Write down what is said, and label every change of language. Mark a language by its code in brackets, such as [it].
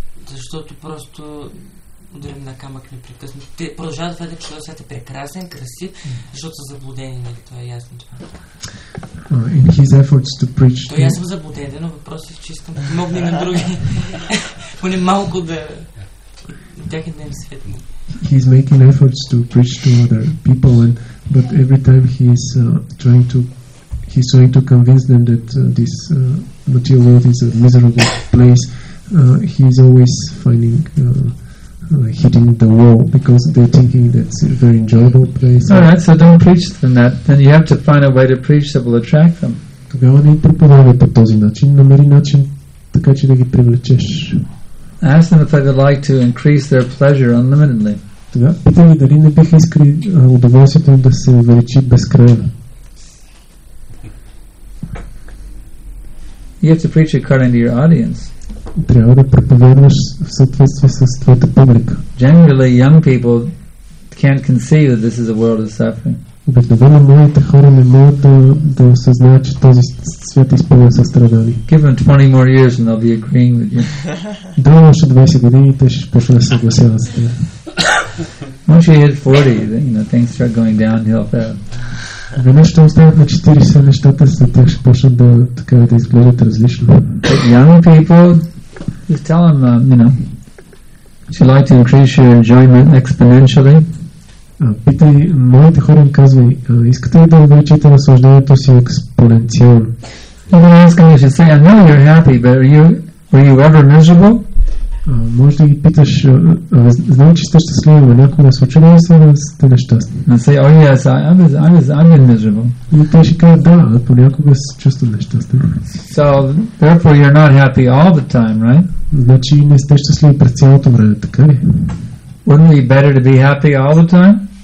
[bg] Защото просто ударим на камък непрекъснато. Те продължават това, че този свят е прекрасен, красив, защото са заблудени. Нали? Това е ясно това. [en] In his efforts to preach to... [bg] Я съм заблуден, но въпросът е, че искам да помогне на други. Поне малко да... Тяхи да им светне. [en] He's making efforts to preach to other people, and, but every time he's trying to convince them that this material world is a miserable place, he's always finding hitting the wall because they're thinking that's a very enjoyable place. All right, so don't preach them that. Then you have to find a way to preach that will attract them. [bg] Тогава не проповядай по този начин. Намери начин така, че да ги привлечеш. [en] Ask them if they would like to increase their pleasure unlimitedly. [bg] Тогава питай ги дали не бих искал удоволствието им да се увеличи безкрайно. [en] You have to preach according to your audience. [bg] Трябва да проповядваш в съответствие с твоята публика. [en] Generally, young people can't conceive that this is a world of suffering. [bg] Обикновено младите хора не могат да осъзнаят, че този свят изпълнен със страдания. [en] Give them 20 more years and they'll be agreeing with you. [bg] Дай още 20 години и те ще почнат да се съгласяват с теб. [en] Once you hit 40, then, you know, things start going downhill fast. [bg] Веднъж ще останат на 40 нещата, след тях ще почнат да, така, да изглеждат различно. [en] But young people, just tell them, you know, if you like to increase your enjoyment exponentially. [bg] Питай, младите хора им казвай, искате ли да увеличите наслаждението си експоненциално? [en] You can ask them, you should say, I know you're happy, but were you ever miserable? [bg] Може да ги питаш, знам, че сте щастливи, но някой не случва ли да сте нещастни? [en] And say, oh yes, I'm miserable. [bg] И те ще кажат, да, понякога се чувствам нещастен. [en] So, therefore you're not happy all the time, right? [bg] Значи не сте щастливи през цялото време, така ли? [en] Wouldn't it be better to be happy all the time?